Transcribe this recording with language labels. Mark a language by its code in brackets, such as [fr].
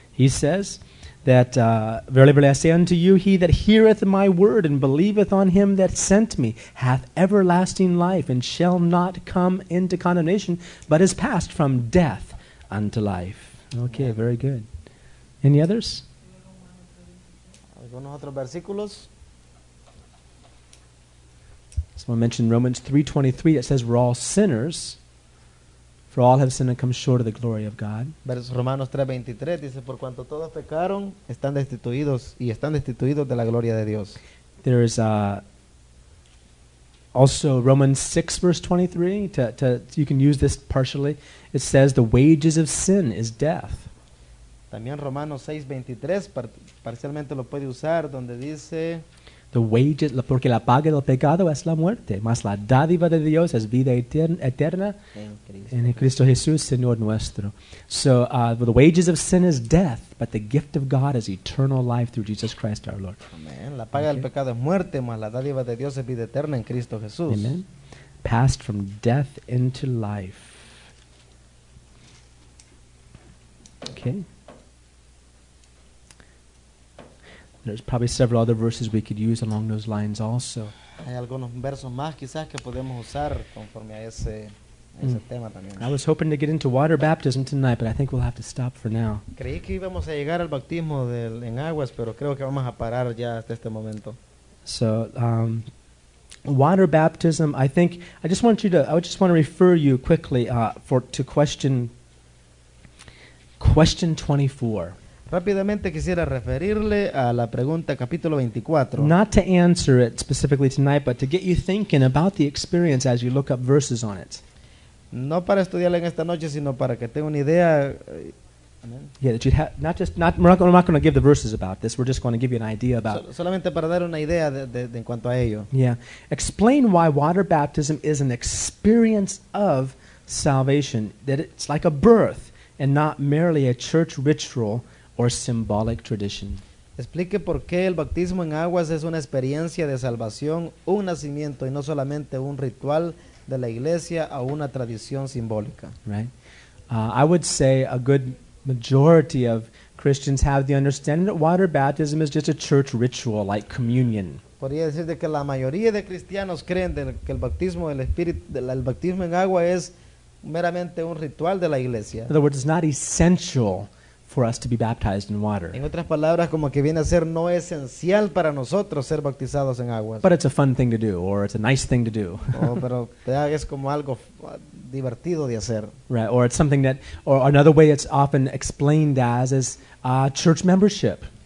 [en] He says that, verily, verily, I say unto you, he that heareth my word and believeth on him that sent me hath everlasting life and shall not come into condemnation, but is passed from death unto life. Okay, very good. Any others? [es] ¿Algunos otros versículos? [en] Someone mentioned Romans 3:23. That says we're all sinners. For all have sinned and come short of the glory of God. [es] Romanos 3:23 dice, por cuanto todos pecaron, están destituidos y están destituidos de la gloria de Dios. [en] There is also Romans 6:23. You can use this partially. It says the wages of sin is death. [es] También Romanos 6:23 parcialmente lo puede usar donde dice, [en] the wages, [es] porque la paga del pecado es la muerte, mas la dádiva de Dios es vida eterna en Cristo Jesús, Señor nuestro. [en] So the wages of sin is death, but the gift of God is eternal life through Jesus Christ our Lord. Amen. [es] La paga del pecado es muerte, mas la dádiva de Dios es vida eterna en Cristo Jesús. [en] Amen. Passed from death into life. Okay. There's probably several other verses we could use along those lines also. [es] Hay algunos versos más quizás que podemos usar conforme a ese tema también. [en] I was hoping to get into water baptism tonight, but I think we'll have to stop for now. [es] Creí que íbamos a llegar al bautismo en aguas, pero creo que vamos a parar ya hasta este momento. [en] So, water baptism, I think, I just want to refer you quickly to question 24. [es] Rápidamente quisiera referirle a la pregunta capítulo 24. [en] Not to answer it specifically tonight, but to get you thinking about the experience as you look up verses on it. [es] No para estudiarla en esta noche, sino para que tenga una idea [en] Yeah, that you'd have not just not. We're not going to give the verses about this. We're just going to give you an idea about. [es] Solamente para dar una idea de en cuanto a ello. [en] Yeah, explain why water baptism is an experience of salvation. That it's like a birth and not merely a church ritual or symbolic tradition. [es] Explique por qué el bautismo en aguas es una experiencia de salvación, un nacimiento y no solamente un ritual de la iglesia o una tradición simbólica. [en] Right. I would say a good majority of Christians have the understanding that water baptism is just a church ritual like communion. [es] Podría decir de que la mayoría de cristianos creen de que el bautismo del espíritu el bautismo en agua es meramente un ritual de la iglesia. [en] In other words, it's not essential for us to be baptized in water. [es] En otras palabras, como que viene a ser no esencial para nosotros ser bautizados en aguas. [en] But it's a fun thing to do, or it's a nice thing to do. [es] Oh, pero es como algo divertido de hacer. [en] Right, or it's something that, or another way it's often explained as is church membership.